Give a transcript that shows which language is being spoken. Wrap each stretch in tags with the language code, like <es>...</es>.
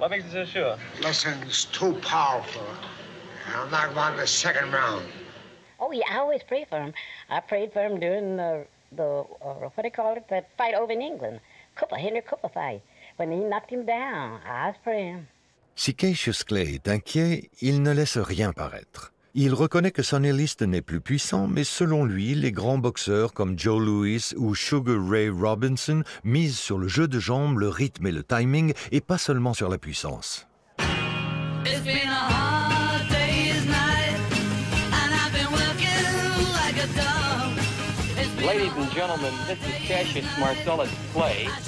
<en>What makes you so sure? Listen's too powerful. I'm not going to the second round. Oh, yeah, I always pray for him. I prayed for him during the fight over in England. Cooper, Henry Cooper fight. When he knocked him down, I was praying.</en> <fr>Si Cassius Clay est inquiet, il ne laisse rien paraître. Il reconnaît que Sonny Liston est plus puissant, mais selon lui, les grands boxeurs comme Joe Louis ou Sugar Ray Robinson misent sur le jeu de jambes, le rythme et le timing, et pas seulement sur la puissance.</fr> <en>Ladies and gentlemen, this is Cassius Marcellus Clay.</en>